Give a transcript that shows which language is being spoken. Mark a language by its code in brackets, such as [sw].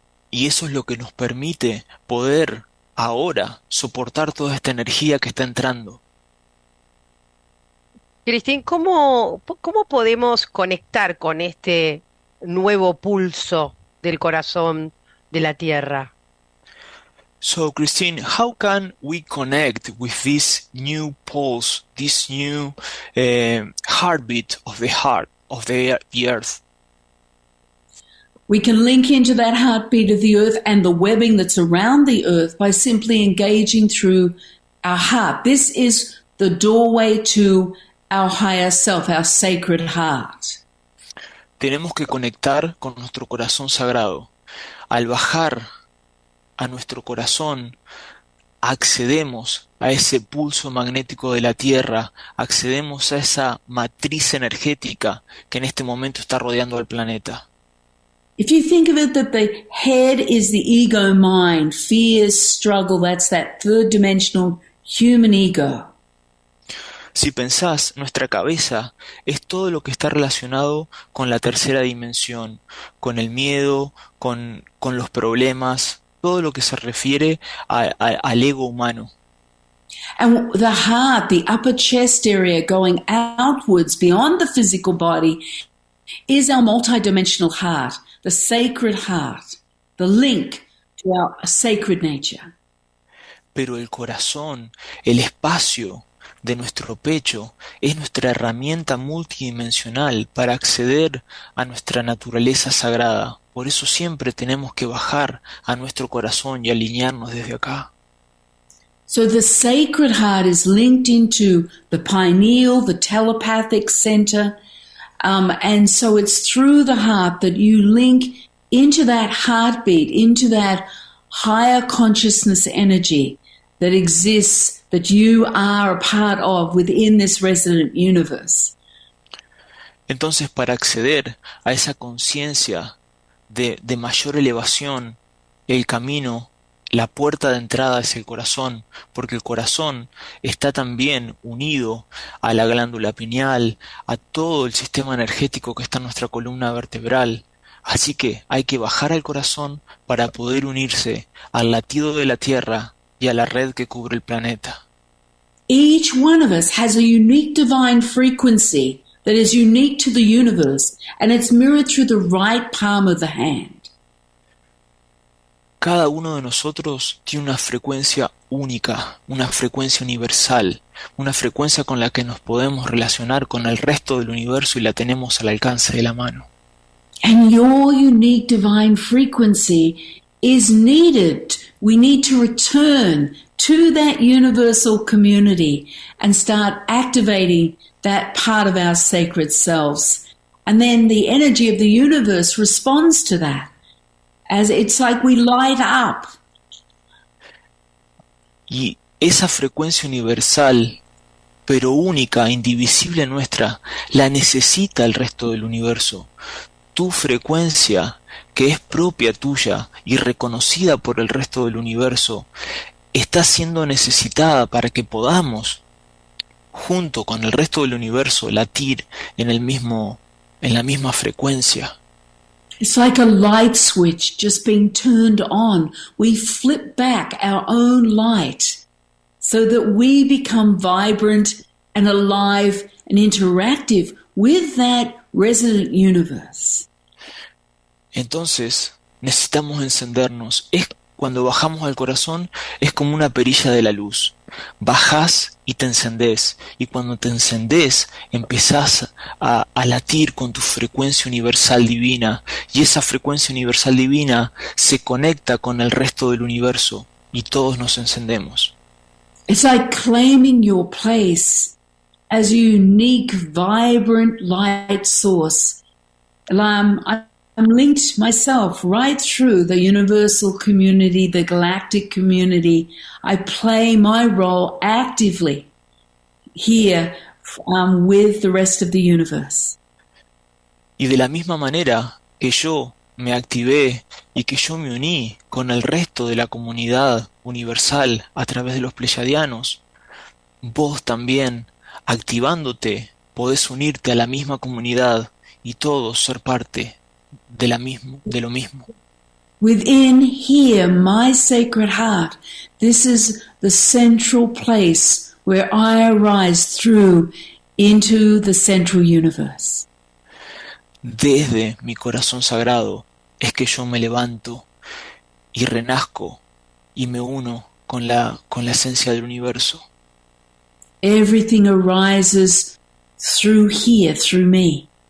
[es] Y eso es lo que nos permite poder ahora soportar toda esta energía que está entrando. Cristín, ¿cómo podemos conectar con este nuevo pulso del corazón de la Tierra? [en] So, Christine, how can we connect with this new pulse, this new heartbeat of the heart, of the Earth? We can link into that heartbeat of the Earth and the webbing that's around the Earth by simply engaging through our heart. This is the doorway to our higher self, our sacred heart. [es] Tenemos que conectar con nuestro corazón sagrado. Al bajar a nuestro corazón, accedemos a ese pulso magnético de la Tierra, accedemos a esa matriz energética que en este momento está rodeando al planeta. [en] If you think of it that the head is the ego mind, fears, struggle, that's that third dimensional human ego. [es] Si pensás, nuestra cabeza es todo lo que está relacionado con la tercera dimensión, con el miedo, con los problemas, todo lo que se refiere al ego humano. [en] And the heart, the upper chest area going outwards beyond the physical body, is our multidimensional heart, the sacred heart, the link to our sacred nature. [es] Pero el corazón, el espacio de nuestro pecho, es nuestra herramienta multidimensional para acceder a nuestra naturaleza sagrada. Por eso siempre tenemos que bajar a nuestro corazón y alinearnos desde acá. [en] So the sacred heart is linked into the pineal, the telepathic center, and so it's through the heart that you link into that heartbeat, into that higher consciousness energy that exists, that you are a part of within this resonant universe. [es] Entonces, para acceder a esa conciencia de mayor elevación, el camino, la puerta de entrada es el corazón, porque el corazón está también unido a la glándula pineal, a todo el sistema energético que está en nuestra columna vertebral. Así que hay que bajar al corazón para poder unirse al latido de la Tierra y a la red que cubre el planeta. [en] Each one of us has a unique divine frequency that is unique to the universe, and it's mirrored through the right palm of the hand. [es] Cada uno de nosotros tiene una frecuencia única, una frecuencia universal, una frecuencia con la que nos podemos relacionar con el resto del universo y la tenemos al alcance de la mano. [en] And your unique divine frequency is needed. We need to return to that universal community and start activating that part of our sacred selves. And then the energy of the universe responds to that, as it's like we light up. [es] Y esa frecuencia universal, pero única, indivisible nuestra, la necesita el resto del universo. Tu frecuencia, que es propia tuya y reconocida por el resto del universo, está siendo necesitada para que podamos, junto con el resto del universo, latir en la misma frecuencia. [en] It's like a light switch just being turned on. We flip back our own light so that we become vibrant and alive and interactive with that resonant universe. [es] Entonces, necesitamos encendernos. Es cuando bajamos al corazón, es como una perilla de la luz. Bajás y te encendés. Y cuando te encendés, empezás a latir con tu frecuencia universal divina. Y esa frecuencia universal divina se conecta con el resto del universo. Y todos nos encendemos. [en] It's like claiming your place as a unique, vibrant light source. I'm linked myself right through the universal community, the galactic community. I play my role actively here with the rest of the universe. [es] Y de la misma manera que yo me activé y que yo me uní con el resto de la comunidad universal a través de los pleyadianos, vos también, activándote, podés unirte a la misma comunidad y todos ser parte de lo mismo. [en] Within here, my sacred heart, this is the central place where I arise through into the central universe. [es] Desde mi corazón sagrado es que yo me levanto y renazco y me uno con la esencia del universo. [en] Everything arises through here, through me.